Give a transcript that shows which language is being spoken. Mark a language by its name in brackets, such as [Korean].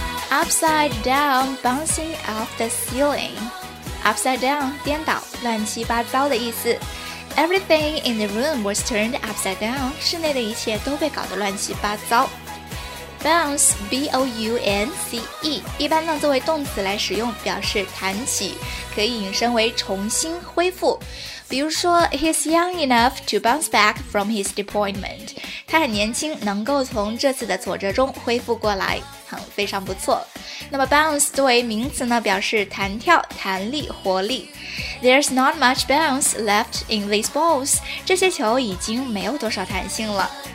[English] Upside down, bouncing off the ceiling. [Chinese] Upside down, 颠倒，乱七八糟的意思。 [English] Everything in the room was turned upside down. [Chinese] 室内的一切都被搞得乱七八糟。 [English] Bounce, B-O-U-N-C-E. [Chinese] 一般呢作为动词来使用，表示弹起，可以引申为重新恢复。比如说 [English] ,He's young enough to bounce back from his disappointment. [Chinese] 他很年轻，能够从这次的挫折中恢复过来。非常不错。那么 bounce 作为名词呢，表示弹跳、弹力、活力。 [English] There's not much bounce left in these balls. [Chinese] 这些球已经没有多少弹性了。